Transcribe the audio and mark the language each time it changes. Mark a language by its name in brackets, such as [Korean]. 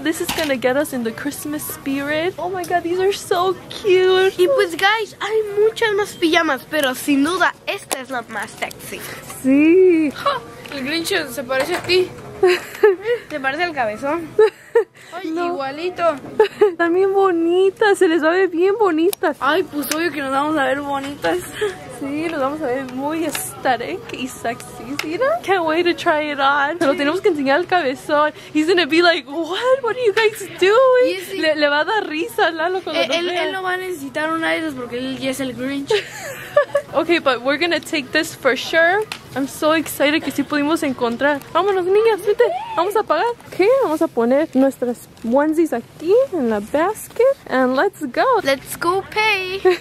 [English] This is gonna get us in the Christmas spirit. Oh my God, these are so cute. [Spanish] Y pues, guys, hay muchas más pijamas, pero sin duda, esta es la más sexy. Sí. El Grinch se parece a ti. ¿Te parece el cabezón? Ay, no. Igualito. Están bien bonitas, se les va a ver bien bonitas. Ay, pues obvio que nos vamos a ver bonitas. Sí, nos vamos a ver muy aesthetic y sexy, ¿sí? [English] Can't wait to try it on. [Spanish] Pero tenemos que enseñar el cabezón. [English] He's gonna be like, what are you guys doing? [Spanish] Sí, sí. Le va a dar risa, Lalo, cuando él no va a necesitar una de esas porque él ya es el Grinch. [English] Okay, but we're gonna take this for sure. I'm so excited [Spanish] que sí pudimos encontrar. Vámonos, niñas, vete. Vamos a pagar. ¿Qué? Okay, vamos a poner nuestras onesies aquí en la basket. [English] And let's go. Let's go pay.